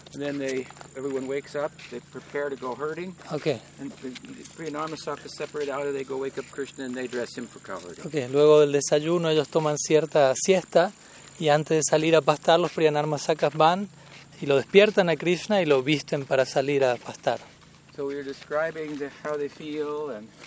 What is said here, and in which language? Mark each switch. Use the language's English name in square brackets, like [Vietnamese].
[English] And then everyone wakes up. They prepare to go herding. Okay. And the Priyanarmasakas separate out and they go wake up Krishna and they dress him for cow herding. Okay. [Spanish] Luego del desayuno ellos toman cierta siesta y antes de salir a pastar los Priyanarmasakas van y lo despiertan a Krishna y lo visten para salir a pastar. [English] So we were describing how they feel and